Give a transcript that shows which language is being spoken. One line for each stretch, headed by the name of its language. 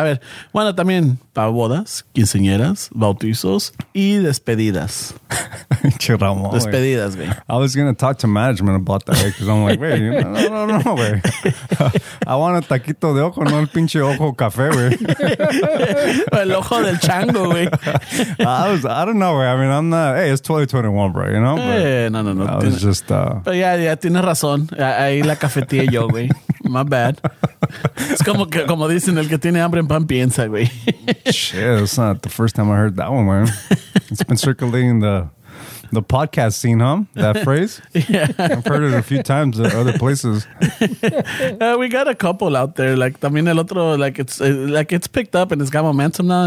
Spanish: A ver, bueno, también para bodas, quinceañeras, bautizos. Y despedidas. Chiramo, despedidas, güey.
English: I was going to talk to management about that, because I'm like, wait, no, güey. I want a
Spanish: taquito de ojo, no el pinche ojo café, güey. El ojo del chango, güey.
English: I don't know, güey. I mean, I'm not, hey, it's 2021, bro, you know?
Spanish: No. Pero ya, tienes razón. Ahí la cafetía yo, güey.
English: My bad.
Spanish: Es como que, como dicen, el que tiene hambre en pan piensa, güey.
English: Shit, that's not the first time I heard that one, man. It's been circulating the podcast scene, huh? That phrase? Yeah. I've heard it a few times at other places. We got a couple out there. Like,
Spanish: también el otro,
English: it's picked up and it's got momentum now.